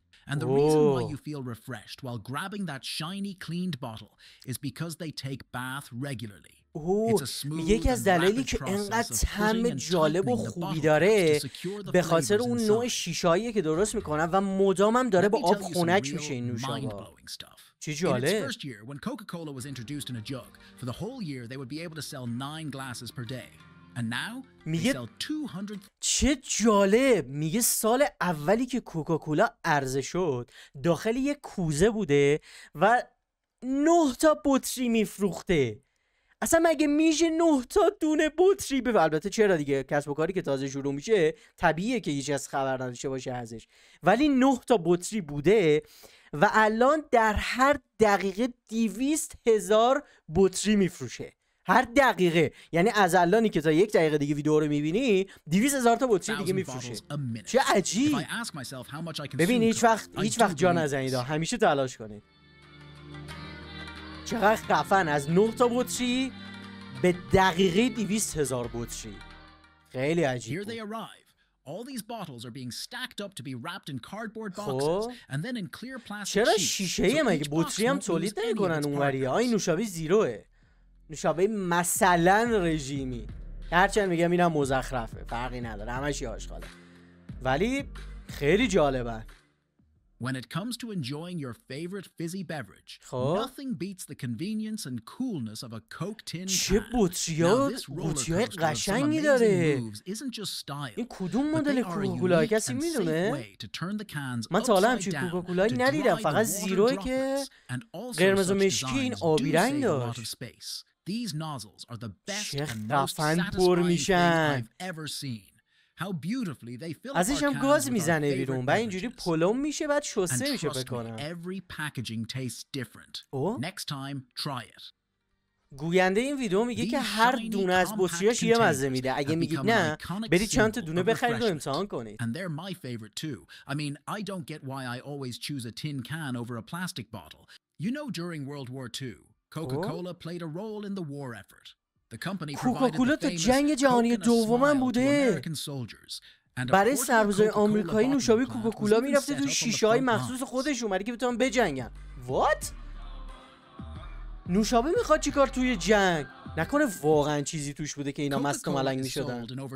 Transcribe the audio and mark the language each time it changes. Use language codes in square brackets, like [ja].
[en] And the reason why you feel refreshed while grabbing that shiny cleaned bottle is because they take bath regularly. [fa] یکی از دلایلی که اینقدر طعم جالب و خوبی داره به خاطر اون نوع شیشه‌ایه که درست میکنن و مدام هم داره با آب خنک میشه این نوشابه. چی جالب. [en] In its first year when Coca-Cola was introduced in a jug, for the whole year they would be able to sell 9 glasses per day. And now [fa] چه جالب. میگه سال اولی که کوکاکولا عرضه شد داخل یه کوزه بوده و 9 تا بطری میفروخته. اصلا مگه میشه 9 تا دونه بطری به؟ البته چرا دیگه، کسب و کاری که تازه شروع میشه طبیعیه که هیچ از خبر نداشته باشه ازش، ولی 9 تا بطری بوده و الان در هر دقیقه 200,000 بطری میفروشه. هر دقیقه، یعنی از الانی که تا 1 دقیقه دیگه ویدیو رو میبینی 200,000 تا بطری دیگه میفروشه. چه عجیب. ببین هیچ وقت جان نزنید، همیشه تلاش کنید. چقدر خفن، از 9 تا بطری به دقیقه 200,000 بطری. خیلی عجیب. [en] All these bottles are being stacked up to be wrapped in cardboard boxes and then in clear plastic sheets. [fa] چرا شیشه ای مگه بطری هم تولید نمی‌کنن اونوری؟ این نوشابه زیروه. نوشابه مثلا رژیمی، هرچند میگم اینم مزخرفه، فرقی نداره، همش یه آشغاله، ولی خیلی جالبه. [en] When it comes to enjoying your favorite fizzy beverage, nothing beats the convenience and coolness of a Coke tin can. [fa] چه بطری‌های قشنگی داره. این کدوم مدل کوکاکولای کسی میدونه؟ من تا حالا همچین کوکاکولای ندیدم، فقط زیرو که قرمز و مشکی این آبی رنگ داشت. [en] These nozzles are the best and most satisfying thing I've ever seen. How beautifully they fill our cans with our favorite beverages. And trust me, every packaging tastes different. Next time, try it. [fa] گوینده این ویدیو میگه که هر دونه از بطری‌هاش یه مزه میده. اگه میگید نه، برید چند تا دونه بخرید و امتحان کنید. [en] And they're my favorite too. I mean, I don't get why I always choose a tin can over a plastic bottle. You know, during World War II, Coca-Cola played a role in the war effort. The company provided the [fa] جنگ جهانی دوم هم بوده. برای سربازای آمریکایی نوشابه کوکاکولا میرفته تو شیشه های مخصوص خودشون برای که بتونن بجنگن. وات؟ نوشابه میخواد چیکار توی جنگ؟ نکنه واقعا چیزی توش بوده که اینا مست و ملنگ میشدن.